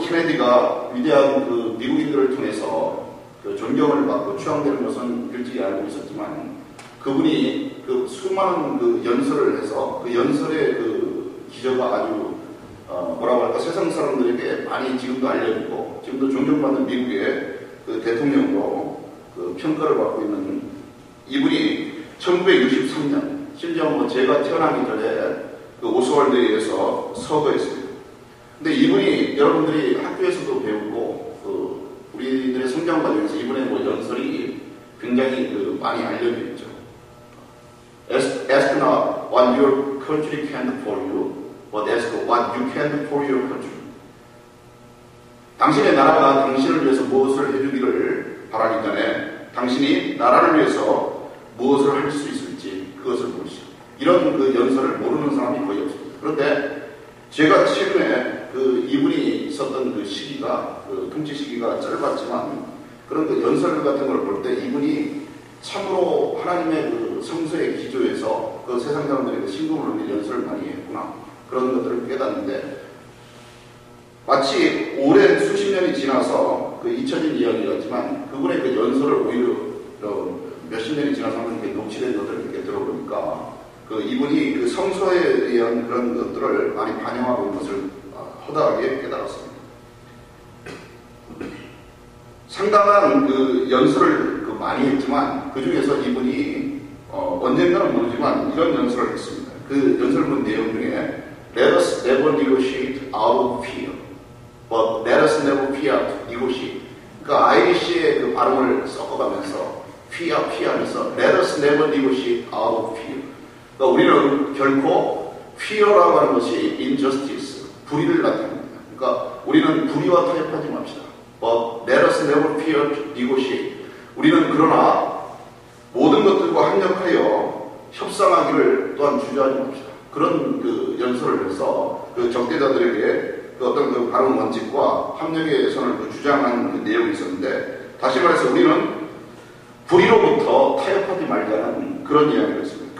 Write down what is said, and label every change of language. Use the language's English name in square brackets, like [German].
[Korean] 케네디가 위대한 그 미국인들을 통해서 그 존경을 받고 추앙되는 것은 일찍이 알고 있었지만 그분이 그 수많은 그 연설을 해서 그 연설의 그 기저가 아주 뭐라고 할까 세상 사람들에게 많이 지금도 알려지고 지금도 존경받는 미국의 그 대통령으로 그 평가를 받고 있는 이분이 1963년 심지어 뭐 제가 태어나기 전에 그 오스월드에 의해서 서거했습니다. 근데 이분이 여러분들이 학교에서도 배우고 그 우리들의 성장 과정에서 이분의 뭐 연설이 굉장히 그 많이 알려져 있죠. [English] Ask not what your country can do for you, but ask what you can do for your country. [Korean] 당신의 나라가 당신을 위해서 무엇을 해주기를 바라기 전에 당신이 나라를 위해서 무엇을 할 수 있을지 그것을 보시오. 이런 그 연설을 모르는 사람이 거의 없습니다. 그런데 제가 최근에 그 이분이 있었던 그 시기가 그 통치 시기가 짧았지만 그런 그 연설 같은 걸 볼 때 이분이 참으로 하나님의 그 성서의 기조에서 그 세상 사람들에게 신금을 울리는 연설을 많이 했구나 그런 것들을 깨닫는데 마치 오랜 수십 년이 지나서 그 잊혀진 이야기였지만 그분의 그 연설을 오히려 몇십 년이 지나서 하는 게 녹취된 것들을 이렇게 들어보니까 그 이분이 그 성서에 의한 그런 것들을 많이 반영하고 있는 것을 허다하게 깨달았습니다. 상당한 그 연설을 그 많이 했지만 그 중에서 이분이 언젠가는 모르지만 이런 연설을 했습니다. 그 연설문 내용 중에 [English] Let us never negotiate out of fear, but let us never fear to negotiate. [Korean] 그 아이리시의 그 발음을 섞어가면서 fear, fear면서 [English] Let us never negotiate out of fear. [Korean] 그러니까 우리는 결코 fear라고 하는 것이 injustice, 불의를 나타냅니다. 그러니까 우리는 불의와 타협하지 맙시다. [English] But let us never fear to negotiate. [Korean] 우리는 그러나 모든 것들과 합력하여 협상하기를 또한 주저하지 맙시다. 그런 그 연설을 해서 그 적대자들에게 그 어떤 그 바른 원칙과 합력의 선을 그 주장하는 그 내용이 있었는데 다시 말해서 우리는 불의로부터 타협하지 말자는 그런 이야기를 했습니다.